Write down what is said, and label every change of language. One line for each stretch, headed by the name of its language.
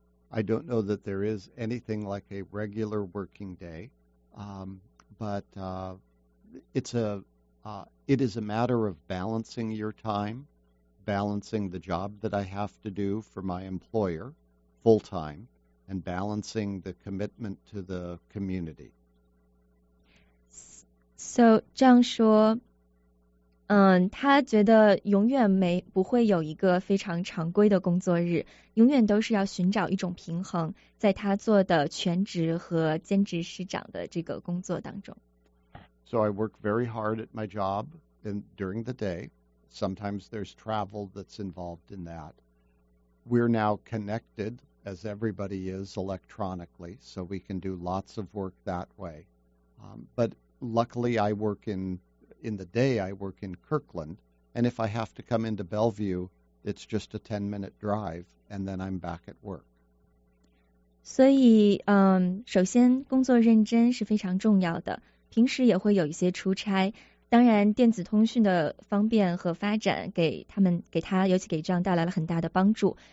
English: I don't know that there is anything like a regular working day, but it is a matter of balancing your time, balancing the job that I have to do for my employer full-time, and balancing the commitment to the community.
Chinese: So, 这样说，他觉得永远没不会有一个非常常规的工作日，永远都是要寻找一种平衡，在他做的全职和兼职市长的这个工作当中。
English: So I work very hard at my job and during the day. Sometimes there's travel that's involved in that. We're now connected, as everybody is, electronically, so we can do lots of work that way. But luckily, I work in the day, I work in Kirkland, and if I have to come into Bellevue, it's just a 10-minute drive, and then I'm back at work.
Chinese: 所以，首先，工作认真是非常重要的，平时也会有一些出差。当然，电子通讯的方便和发展给他，尤其给John带来了很大的帮助。